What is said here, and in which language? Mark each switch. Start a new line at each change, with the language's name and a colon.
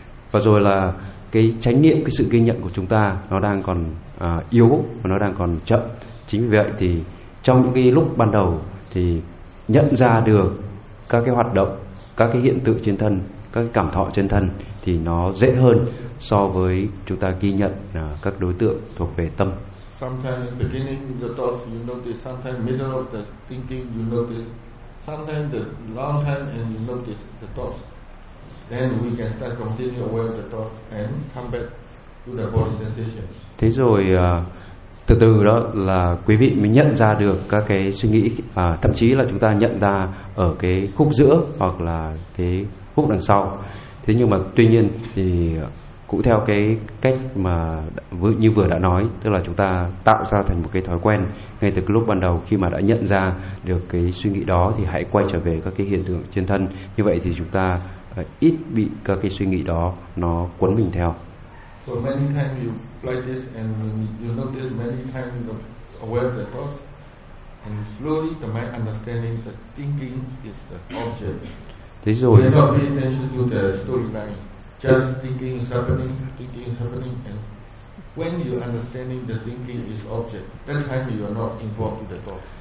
Vietnamese: Và rồi là cái chánh niệm, cái sự ghi nhận của chúng ta nó đang còn yếu và nó đang còn chậm. Chính vì vậy thì trong những cái lúc ban đầu thì nhận ra được các cái hoạt động, các cái hiện tượng trên thân, các cái cảm thọ trên thân thì nó dễ hơn so với chúng ta ghi nhận các đối tượng thuộc về tâm.
English: Sometimes beginning the thoughts you notice, sometimes middle of the thinking you notice, sometimes the long time and you notice the thoughts. Then we can start completely aware of the thoughts and come back to the body sensation.
Vietnamese: Thế rồi từ từ đó là quý vị mới nhận ra được các cái suy nghĩ, thậm chí là chúng ta nhận ra ở cái khúc giữa hoặc là cái khúc đằng sau. Thế nhưng mà tuy nhiên thì cũng theo cái cách mà như vừa đã nói, tức là chúng ta tạo ra thành một cái thói quen ngay từ cái lúc ban đầu. Khi mà đã nhận ra được cái suy nghĩ đó thì hãy quay trở về các cái hiện tượng trên thân, như vậy thì chúng ta ít bị các cái suy nghĩ đó nó quấn mình theo.
English: So many times you play this and you notice many times you aware of the thoughts and slowly the mind understanding that thinking is the object.
Vietnamese: Thế rồi.
English: You're not paying attention to the storyline. just thinking is happening, thinking is happening, and when you understanding the thinking is object, that time you are not involved in the thought.